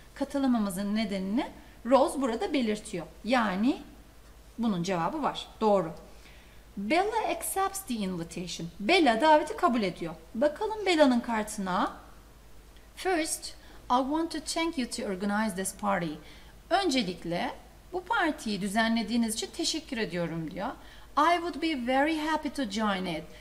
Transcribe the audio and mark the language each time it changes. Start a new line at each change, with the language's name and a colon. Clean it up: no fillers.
Turkish: Katılamamızın nedenini Rose burada belirtiyor. Yani bunun cevabı var. Doğru.
English: Bella accepts the invitation.
Turkish: Bella daveti kabul ediyor. Bakalım Bella'nın kartına.
English: First, I want to thank you to organize this party.
Turkish: Öncelikle bu partiyi düzenlediğiniz için teşekkür ediyorum diyor.
English: I would be very happy to join it.